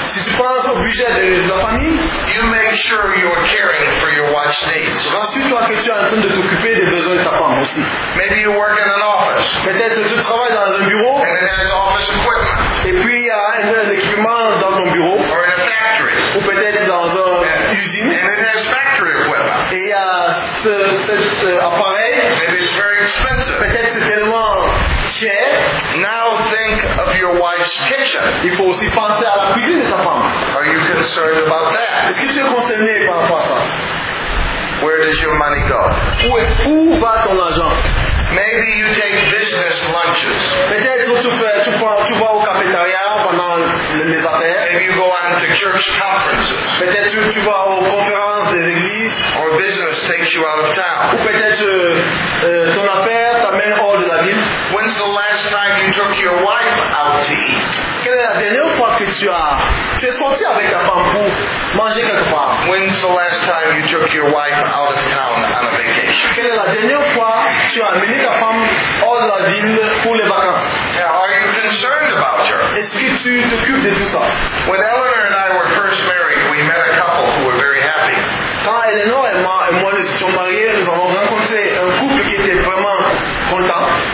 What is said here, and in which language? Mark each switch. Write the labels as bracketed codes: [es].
[fr] si tu penses au budget de la famille, [en] you make sure you are caring for your wife's needs. [fr] Rassure-toi que tu es en train de t'occuper des besoins de ta femme aussi. [en] Maybe you work in an office. [fr] Peut-être que tu travailles dans un bureau. [en] And it has office equipment. [fr] Et puis il y a un équipement dans ton bureau. [en] Or in a factory. [fr] Ou peut-être dans une usine. [en] And it has factory equipment. [fr] Et il y a cet appareil. [en] Maybe it's very expensive. [fr] Peut-être que c'est tellement cher. [en] Now think of your wife's kitchen. [fr] Il faut aussi penser à la cuisine de sa femme. [en] Are you concerned about that? [fr] Est-ce que tu es concerné par rapport à ça? [en] Where does your money go? [fr] Où va ton argent? [en] Maybe you take business lunches. [fr] Peut-être tu vas au cafétéria pendant les affaires. [en] Maybe you go on to church conferences. [fr] Peut-être tu vas aux conférences des églises. [en] Or business takes you out of town. [fr] Ou peut-être ton affaire t'amène hors de la ville. [en] When's the last time you took your wife out to eat? [fr] Quelle est la dernière fois que tu es sorti avec ta femme pour manger quelque part? [en] When's the last time you took your wife out of town on a vacation? [fr] Quelle est la dernière fois tu as amené ta femme hors de la ville pour les vacances? [en] Now, are you concerned about her? [fr] Est-ce que tu t'occupes de tout ça? [en] When Eleanor and I were first married, we met a couple who were very happy. [fr] Quand Eleanor et moi nous étions mariés, nous avons rencontré un couple qui était vraiment content.